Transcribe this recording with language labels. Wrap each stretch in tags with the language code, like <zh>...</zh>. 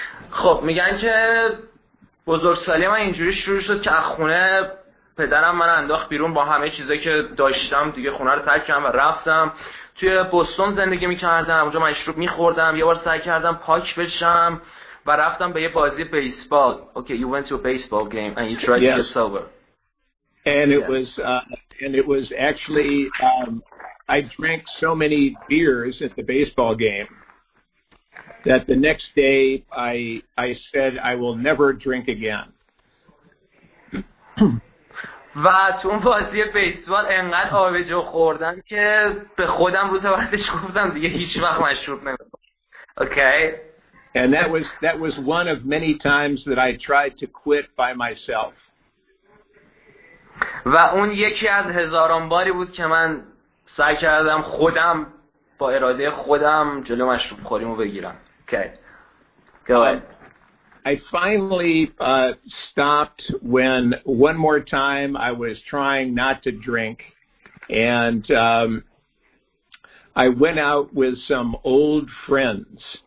<fa>خب میگن که بزرگسالی من اینجوری شروع شد که از خونه پدرم من انداخت بیرون با همه چیزایی که داشتم، دیگه خونه رو ترک کردم و رفتم. توی بوستون زندگی میکردم، اونجا مشروب میخوردم، یه بار سعی کردم پاک بشم و رفتم به یه بازی بیسبال.</fa> <en>Okay, you went to a baseball game and you tried yes. to get sober. And it was actually I drank so many beers at the baseball game that the next day I said I will never drink again.</en> <fa>و تو اون بازی بیسبال انقدر آبجو خوردم که به خودم روز بعدش گفتم دیگه هیچ وقت مشروب نمیخورم.</fa> <en>Okay. And that was one of many times that I tried to quit by myself.</en> <fa>و اون یکی از هزاران باری بود که من سعی کردم خودم با اراده خودم جلو مشروب خوریمو بگیرم.</fa> <en>Okay. Go ahead. I finally stopped when one more time I was trying not to drink, and I went out with some old friends.</en>